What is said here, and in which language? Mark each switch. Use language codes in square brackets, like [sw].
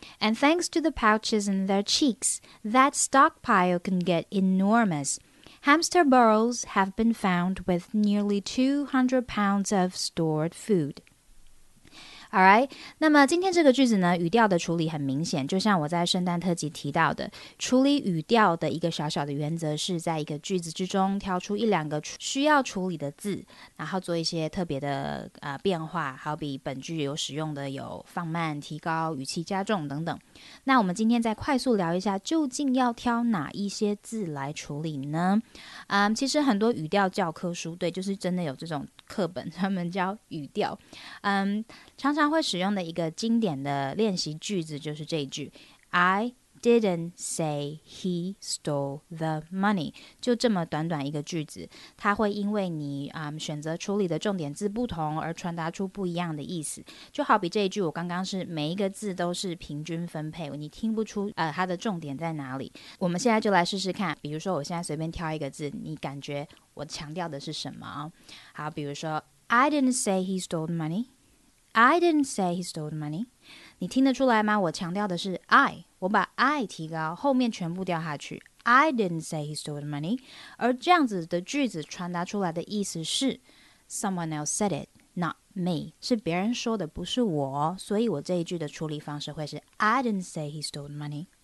[en] And thanks to the pouches in their cheeks, that stockpile can get enormous. Hamster burrows have been found with nearly 200 pounds of stored food. [zh] Alright, 那么今天这个句子呢，语调的处理很明显，就像我在圣诞特辑提到的，处理语调的一个小小的原则是在一个句子之中挑出一两个需要处理的字，然后做一些特别的变化，好比本句有使用的有放慢、提高、语气加重等等。那我们今天再快速聊一下，究竟要挑哪一些字来处理呢？其实很多语调教科书，对，就是真的有这种课本他们教语调，常常会使用的一个经典的练习句子就是这一句 [en] I didn't say he stole the money. [zh] 就这么短短一个句子，它会因为你选择处理的重点字不同而传达出不一样的意思。就好比这一句，我刚刚是每一个字都是平均分配，你听不出它的重点在哪里。我们现在就来试试看，比如说我现在随便挑一个字，你感觉我强调的是什么。好，比如说 [en] I didn't say he stole the moneyI didn't say he stole the money. [zh] 你听得出来吗？我强调的是 I, 我把 I 提高，后面全部掉下去。 [en] I didn't say he stole the money. [zh] 而这样子的句子传达出来的意思是 [en] Someone else said it, not me. [zh] 是别人说的，不是我。所以我这一句的处理方式会是 [en] I didn't say he stole the money.